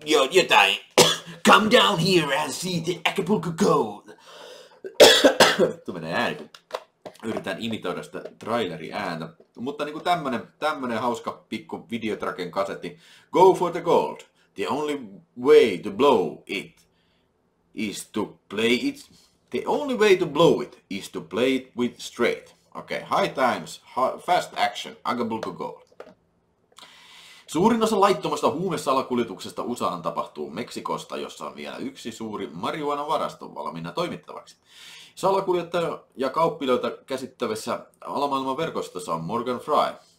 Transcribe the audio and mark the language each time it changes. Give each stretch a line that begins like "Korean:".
English: Jotain. Come down here and see the Acapulco Gold.
Finnish: Tuo menee ääni, kun yritän imitoida sitä traileri ääntä. Mutta niin kuin tämmönen hauska pikku Videodragen kasetti.
English: Go for the gold. The only way to blow it is to play it. The only way to blow it is to play it with straight. Okei, okay, high times, fast action, Acapulco Gold.
Finnish: Suurin osa laittomasta huumesalakuljetuksesta USAan tapahtuu Meksikosta, jossa on vielä yksi suuri marihuanavarasto valmiina toimittavaksi. Salakuljettaja ja kauppiloita käsittävässä alamaailman verkostossa on Morgan Fry.